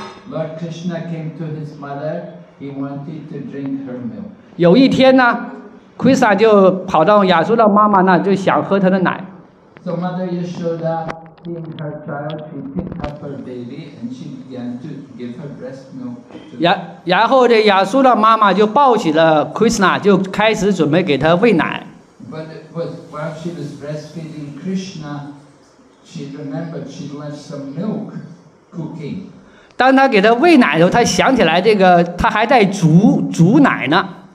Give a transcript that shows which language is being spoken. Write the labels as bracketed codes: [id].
[en] Lord Krishna came to his mother. He wanted to drink her milk. [zh] 有一天呢 ，Krishna 就跑到亚苏的妈妈那，就想喝她的奶。 [en] So Mother Yashoda, seeing her child, she picked up her baby and she began to give her breast milk. [zh] 然后这亚苏的妈妈就抱起了 Krishna， 就开始准备给她喂奶。 [en] But while she was breastfeeding Krishna, she remembered she left some milk cooking. [zh] 当他给他喂奶的时候，他想起来这个他还在煮奶呢。